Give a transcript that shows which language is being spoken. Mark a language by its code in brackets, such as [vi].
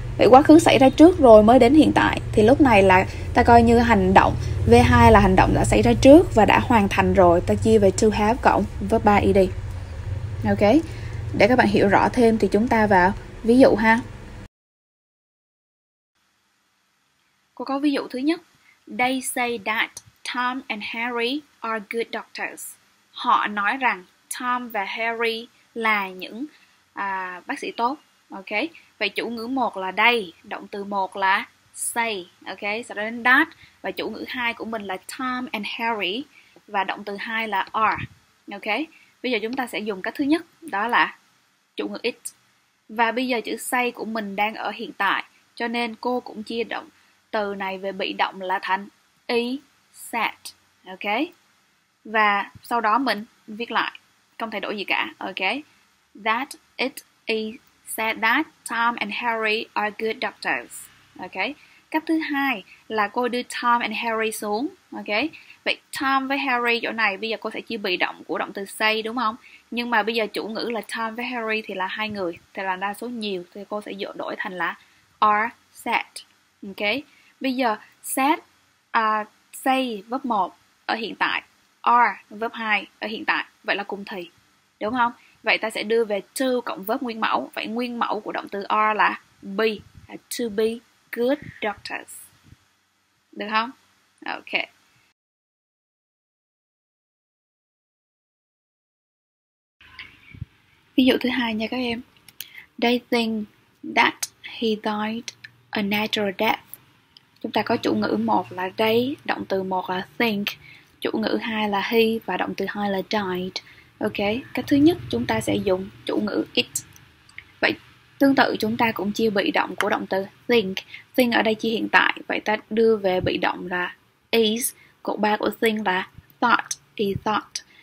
[vi] Vậy quá khứ xảy ra trước rồi mới đến hiện tại. Thì lúc này là ta coi như hành động V2 là hành động đã xảy ra trước và đã hoàn thành rồi. Ta chia về to have cộng verb 3 ed. Ok. Để các bạn hiểu rõ thêm thì chúng ta vào ví dụ ha. Cô có ví dụ thứ nhất. [en] They say that Tom and Harry are good doctors. [vi] Họ nói rằng Tom và Harry là những bác sĩ tốt. Ok. Vậy chủ ngữ 1 là they, động từ 1 là say. Ok. Sau đó đến that và chủ ngữ 2 của mình là Tom and Harry và động từ 2 là are. Ok. Bây giờ chúng ta sẽ dùng cách thứ nhất, đó là chủ ngữ it. Và bây giờ chữ say của mình đang ở hiện tại, cho nên cô cũng chia động từ này về bị động là thành e sat. Ok. Và sau đó mình viết lại, không thay đổi gì cả. Ok. [en] That it is said that Tom and Harry are good doctors. Ok. [vi] Cách thứ hai là cô đưa Tom and Harry xuống. Ok. Vậy Tom với Harry chỗ này bây giờ cô sẽ chia bị động của động từ say đúng không? Nhưng mà bây giờ chủ ngữ là Tom với Harry thì là hai người, thì là đa số nhiều, thì cô sẽ dựa đổi thành là are sad. Ok. Bây giờ sad say verb 1 ở hiện tại, are verb 2 ở hiện tại, vậy là cùng thì đúng không? Vậy ta sẽ đưa về to cộng verb nguyên mẫu. Vậy nguyên mẫu của động từ are là be, to be good doctors. Được không? Ok. Ví dụ thứ hai nha các em. [en] They think that he died a natural death. [vi] Chúng ta có chủ ngữ 1 là they, động từ 1 là think, chủ ngữ 2 là he và động từ 2 là died. Ok, cách thứ nhất chúng ta sẽ dùng chủ ngữ it. Vậy tương tự chúng ta cũng chia bị động của động từ think. Think ở đây chia hiện tại, vậy ta đưa về bị động là is, cột 3 của think là thought, he thought.